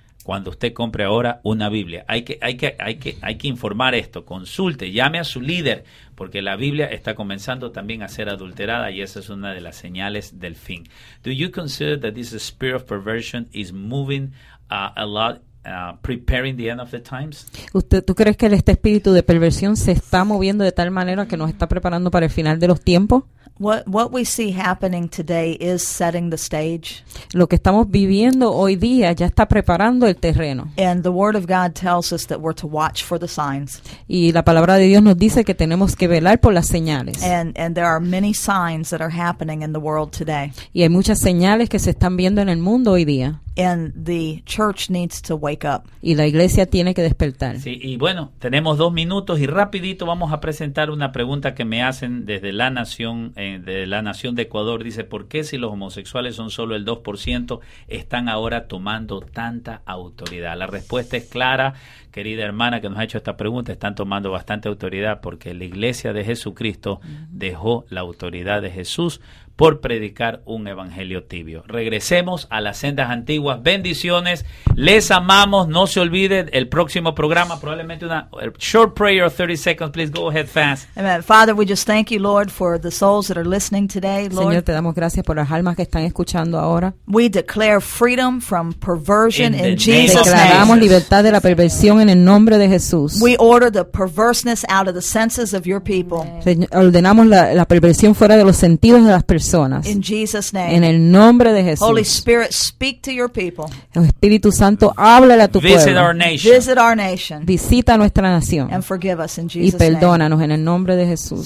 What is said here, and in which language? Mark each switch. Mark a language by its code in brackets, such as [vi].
[es] Cuando usted compre ahora una Biblia, hay que informar esto, consulte, llame a su líder, porque la Biblia está comenzando también a ser adulterada y esa es una de las señales del fin. [en] Do you consider that this spirit of perversion is moving a lot preparing the end of the times? [es] ¿Tú crees que este espíritu de perversión se está moviendo de tal manera que nos está preparando para el final de los tiempos? [en] What we see happening today is setting the stage. [es] Lo que estamos viviendo hoy día ya está preparando el terreno. [en] And the word of God tells us that we're to watch for the signs. [es] Y la palabra de Dios nos dice que tenemos que velar por las señales. [en] And there are many signs that are happening in the world today. [es] Y hay muchas señales que se están viendo en el mundo hoy día. [en] And the church needs to wake up. [es] Y la iglesia tiene que despertar. Sí, y bueno, tenemos dos minutos y rapidito vamos a presentar una pregunta que me hacen desde la nación. De la nación de Ecuador dice, ¿por qué si los homosexuales son solo el 2% están ahora tomando tanta autoridad? La respuesta es clara, querida hermana que nos ha hecho esta pregunta, están tomando bastante autoridad porque la iglesia de Jesucristo dejó la autoridad de Jesús por predicar un evangelio tibio. Regresemos a las sendas antiguas. Bendiciones, les amamos. No se olvide el próximo programa, probablemente una [en] short prayer of 30 seconds. Please go ahead fast. Amen. Father, we just thank you, Lord, for the souls that are listening today. Lord, [es] Señor, te damos gracias por las almas que están escuchando ahora. [en] We declare freedom from perversion in Jesus' name. [es] Declaramos libertad de la perversión en el nombre de Jesús. [en] We order the perverseness out of the senses of your people. [es] Ordenamos la perversión fuera de los sentidos de las personas. [en] In Jesus' name. [es] En el nombre de Jesús. [en] Holy Spirit, speak to your people. [es] El Espíritu Santo, háblale a tu pueblo. [en] Visit our nation. Visit our nation. [es] Visita nuestra nación. [en] And forgive us in Jesus' [es] name. Y perdónanos [en] name. [es] En el nombre de Jesús.